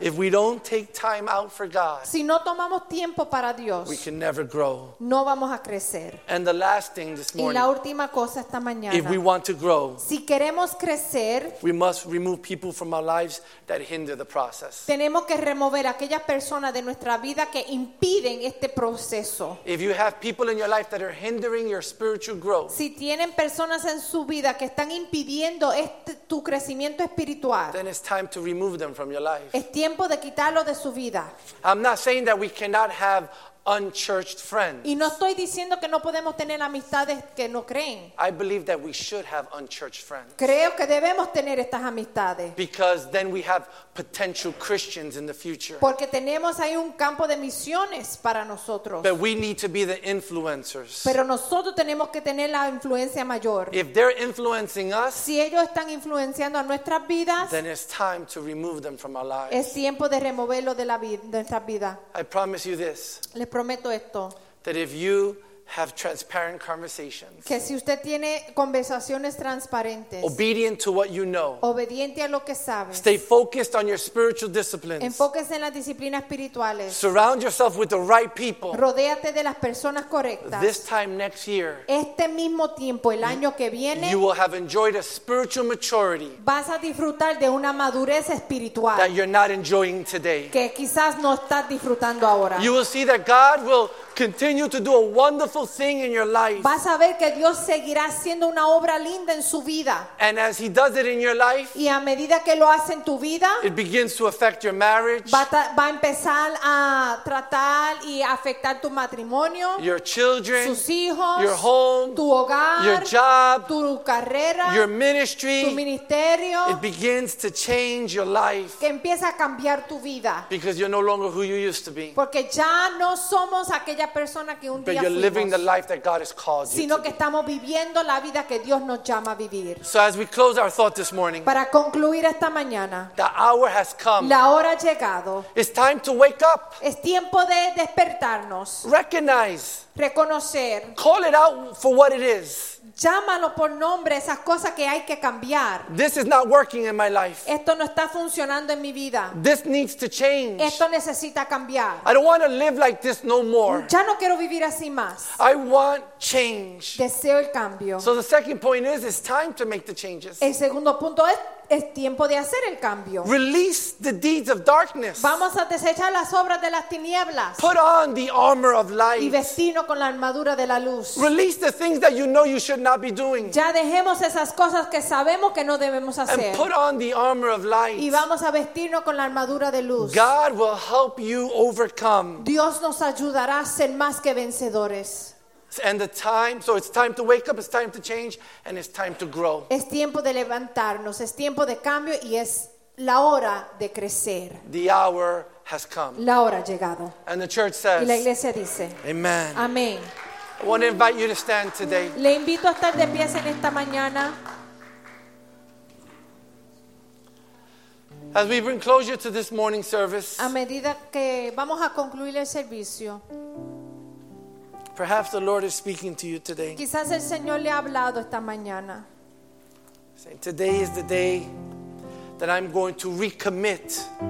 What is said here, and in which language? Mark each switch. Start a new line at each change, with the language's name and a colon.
English: If we don't take time out for God,
Spanish: si no tomamos tiempo para Dios,
English: we can never grow.
Spanish: No vamos a crecer.
English: And the last thing this morning,
Spanish: y la última cosa esta mañana,
English: if we want to grow,
Spanish: si queremos crecer,
English: we must remove people from our lives that hinder the process.
Spanish: Tenemos que remover aquellas personas de nuestra vida que impiden este proceso.
English: If you have people in your life that are hindering your spiritual growth,
Spanish: si tienen personas en su vida que están impidiendo este, tu crecimiento espiritual,
English: then it's time to remove them from your life.
Spanish: Es tiempo de quitarlo de su vida.
English: I'm not saying that we cannot have unchurched friends.
Spanish: Y no estoy diciendo que no podemos tener amistades que no creen.
English: I believe that we should have unchurched friends.
Spanish: Creo que debemos tener estas amistades.
English: Because then we have potential Christians in the future.
Spanish: Porque tenemos ahí un campo de misiones para nosotros.
English: But we need to be the influencers.
Spanish: Pero nosotros tenemos que tener la influencia mayor.
English: If they're influencing us,
Spanish: si ellos están influenciando a nuestras vidas,
English: then it's time to remove them from our lives.
Spanish: Es tiempo de removerlo de la vida, de nuestra vida.
English: I promise you this.
Spanish: Prometo esto.
English: That if you have transparent conversations,
Spanish: que si usted tiene conversaciones transparentes,
English: obedient to what you know,
Spanish: obediente a lo que sabes,
English: stay focused on your spiritual disciplines,
Spanish: enfóquese en las disciplinas espirituales,
English: surround yourself with the right people,
Spanish: rodéate de las personas correctas,
English: this time next year,
Spanish: este mismo tiempo, el año que viene,
English: you will have enjoyed a spiritual maturity,
Spanish: vas a disfrutar de una madurez espiritual
English: that you're not enjoying today,
Spanish: que quizás no estás disfrutando ahora.
English: You will see that God will continue to do a wonderful thing in your life.
Spanish: Vas a ver que Dios seguirá haciendo una obra linda en su vida.
English: And as he does it in your life,
Spanish: y a medida que lo hace en tu vida,
English: it begins to affect your marriage,
Spanish: va a empezar a tratar y afectar tu matrimonio,
English: your children,
Spanish: sus hijos,
English: your home,
Spanish: tu hogar,
English: your job,
Spanish: tu carrera,
English: your ministry,
Spanish: tu ministerio.
English: It begins to change your life,
Spanish: que empieza a cambiar tu vida,
English: because you're no longer who you used to be,
Spanish: porque ya no somos aquellos persona que un día fuimos,
English: living the life that God has called sino you to que be.
Spanish: Estamos viviendo la vida que Dios nos llama a vivir.
English: So as we close our thought this morning,
Spanish: para concluir esta mañana,
English: the hour has come.
Spanish: La hora ha llegado.
English: It's time to wake up.
Spanish: Es tiempo de despertarnos.
English: Recognize.
Spanish: Reconocer.
English: Call it out for what it is.
Spanish: Llámalo por nombre esas cosas que hay que cambiar.
English: This is not working in my life.
Spanish: Esto no está funcionando en mi vida.
English: This needs to change.
Spanish: Esto necesita cambiar.
English: I don't want to live like this no more.
Spanish: Ya no quiero vivir así más.
English: I want change.
Spanish: Deseo el cambio.
English: So the second point is, it's time to make the changes.
Spanish: El segundo punto es tiempo de hacer el cambio.
English: Release the deeds of darkness.
Spanish: Vamos a desechar las obras de las tinieblas.
English: Put on the armor of light.
Spanish: Y vestirnos con la armadura de la luz.
English: Release the things that you know you should not be doing.
Spanish: Ya dejemos esas cosas que sabemos que no debemos hacer.
English: And put on the armor of light.
Spanish: Y vamos a vestirnos con la armadura de luz.
English: God will help you overcome.
Spanish: Dios nos ayudará a ser más que vencedores.
English: And the time, so it's time to wake up, it's time to change, and it's time to grow.
Spanish: Es tiempo de levantarnos, es tiempo de cambio, y es la hora de crecer.
English: The hour has come.
Spanish: La hora ha llegado.
English: And the church says,
Spanish: y la iglesia dice,
English: amen.
Spanish: Amén.
English: I want to invite you to stand today.
Spanish: Le invito a estar de pie en esta mañana.
English: As we bring closure to this morning service,
Spanish: a medida que vamos a concluir el servicio,
English: perhaps the Lord is speaking to you today.
Spanish: Quizás el Señor le ha hablado esta mañana.
English: Saying, today is the day that I'm going to recommit.